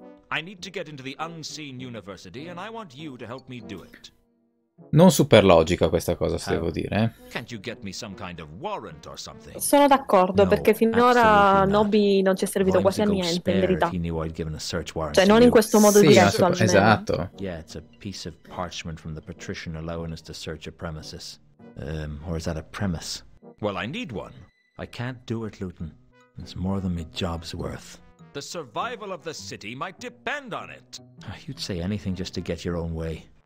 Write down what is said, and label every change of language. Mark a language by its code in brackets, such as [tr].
[en] I need to get into the unseen university and I want you to help me do it. [it] Non super logica questa cosa, se devo dire. [en] Can't you get me some kind of warrant or something? [it] Sono d'accordo, no, perché finora Nobby non ci è servito quasi a niente, in verità. [en] He knew I'd given a search warrant, [it] cioè, non in questo modo sì, diretto, almeno. Esatto. [en] Yeah, it's a piece of parchment from the patrician allowing us to search a premises. Or is that a premise? Well, I need one. I can't do it, Luton. It's more than my job's worth. The survival of the city might depend on it. You'd say anything just to get your own way.